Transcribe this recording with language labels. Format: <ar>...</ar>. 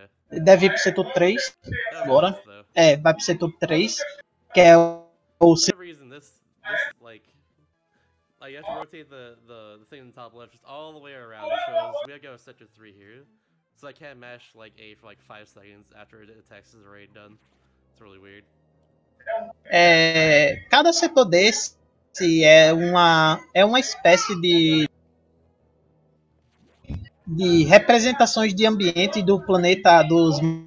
<pt>Ele deve ir pro setor 3 agora. É, vai pro setor 3, que é o setor...</pt> <en>Like, you have to rotate the thing on the top left just all the way around, so we have to go to sector 3 here. So I can't mesh, like, A for, like, 5 seconds after the text is already done. It's really weird.</en> <pt>É, cada setor desse é uma espécie de representações de ambiente do planeta dos...</pt>